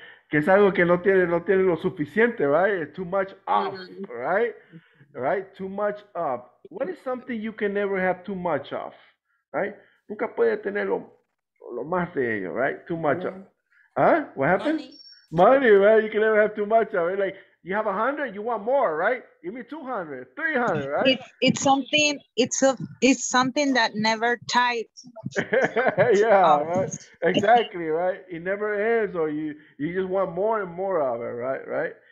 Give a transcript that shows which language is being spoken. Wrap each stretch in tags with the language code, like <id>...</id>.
<es>Que es algo que no tiene lo suficiente, right?</es> <en>Too much of, right? Right? Too much of. What is something you can never have too much of, right?</en> <es>Nunca puede tener lo más de ello, right?</es> <en>Too much of. Huh? What happened? Money, right? You can never have too much of it. Like, you have 100, you want more, right? Give me 200, 300, right? It's something that never tires. Yeah, right? Exactly, right? It never ends, or you just want more and more of it, right? Right?</en>